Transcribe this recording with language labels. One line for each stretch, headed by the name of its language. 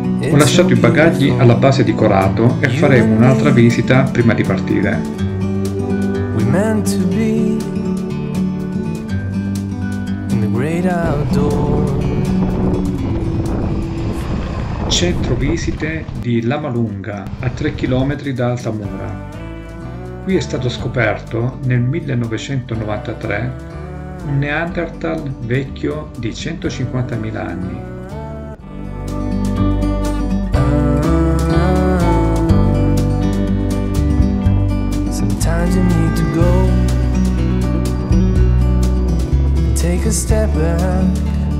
Italian: Ho lasciato i bagagli alla base di Corato e faremo un'altra visita prima di partire.
English: We meant to be in the great outdoors.
Italian: Centro visite di Lama Lunga, a 3 km da Altamura. Qui è stato scoperto, nel 1993, un Neanderthal vecchio di 150.000 anni.
English: Sometimes you need to go, take a step back.